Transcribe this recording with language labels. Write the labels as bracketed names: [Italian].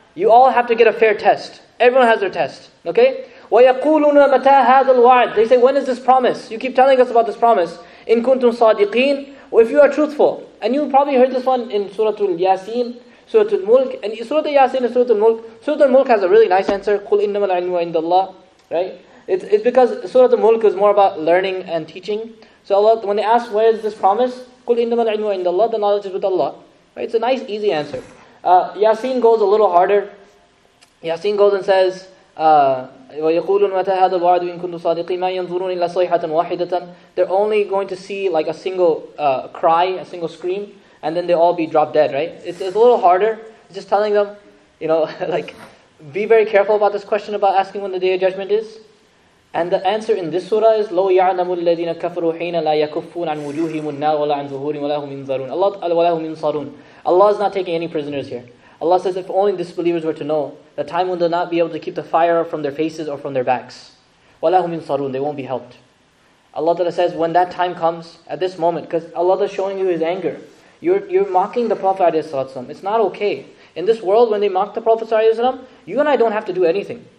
[English] You all have to get a fair test. Everyone has their test, okay? [Arabic] وَيَقُولُونَ مَتَى هَذَا الْوَعْدِ [English] They say, when is this promise? You keep telling us about this promise. [Arabic] إِن كُنْتُمْ صَادِقِينَ [English] If you are truthful. And you probably heard this one in Surah Al-Yasin, Surah Al-Mulk. And Surah Al-Yasin and Surah Al-Mulk. Surah Al-Mulk has a really nice answer. [Arabic] قُلْ إِنَّمَا الْعِلْمُ عِنْدَ اللَّهِ [English] Right? It's because Surah Al-Mulk is more about learning and teaching. So Allah, when they ask, where is this promise? [Arabic] قُلْ إِنَّمَا الْعِلْمُ عِنْدَ اللَّهِ [English] The knowledge is with Allah. Right? It's a nice, easy answer. Yasin goes a little harder. Yasin goes and says, [Arabic] وَيَقُولُونَ مَتَى هَذَا الْوَعْدُ إِن كُنْتُمْ صَادِقِينَ مَا يَنْظُرُونَ إِلَّا صَيْحَةً وَاحِدَةً [English] They're only going to see like a single cry, a single scream, and then they all be dropped dead, right? It's a little harder. It's just telling them, you know, like, be very careful about this question about asking when the Day of Judgment is. And the answer in this surah is, [Arabic] لَوْ يَعْلَمُ الَّذِينَ كَفَرُوا حِينَ لَا يَكُفُّونَ عَنْ وُجُوهِمُ النَّارُ وَلَا عَنْ ظُهُورِهِمْ وَلَا هُمْ يُنْصَرُونَ اللَّهُ [English] is not taking any prisoners here. Allah says, if only disbelievers were to know, the time when they'll not be able to keep the fire from their faces or from their backs. [Arabic] وَلَا هُمْ يُنْصَرُونَ [English] They won't be helped. Allah Ta'ala says, when that time comes, at this moment, because Allah is showing you His anger, you're mocking the Prophet ﷺ. It's not okay. In this world, when they mock the Prophet ﷺ, you and I don't have to do anything.